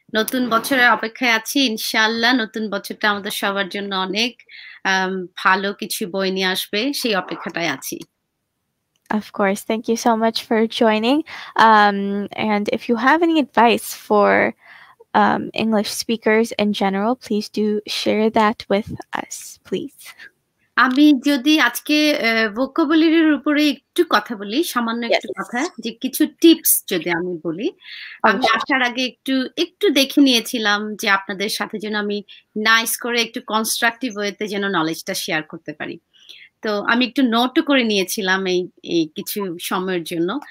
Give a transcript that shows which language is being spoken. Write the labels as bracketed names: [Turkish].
[Bangla] নতুন বছরের অপেক্ষায় আছি ইনশাআল্লাহ। নতুন বছরটা আমাদের সবার জন্য অনেক ভালো কিছু বই নিয়ে আসবে, সেই অপেক্ষাটাই আছি। [English] Of course, thank you so much for joining. And if you have any advice for English speakers in general, please do share that with us, please. [Bangla] আমি যদি আজকে ভোকাবুলারির উপরে একটু কথা বলি, সামান্য একটু কথা, যে কিছু টিপস যদি আমি বলি, আমি আসার আগে একটু একটু দেখে নিয়েছিলাম যে আপনাদের সাথে যেন আমি নাইস করে একটু কনস্ট্রাকটিভ ওয়েতে যেন নলেজটা শেয়ার করতে পারি, তো আমি একটু নোট করে নিয়েছিলাম এই এই কিছু সময়ের জন্য।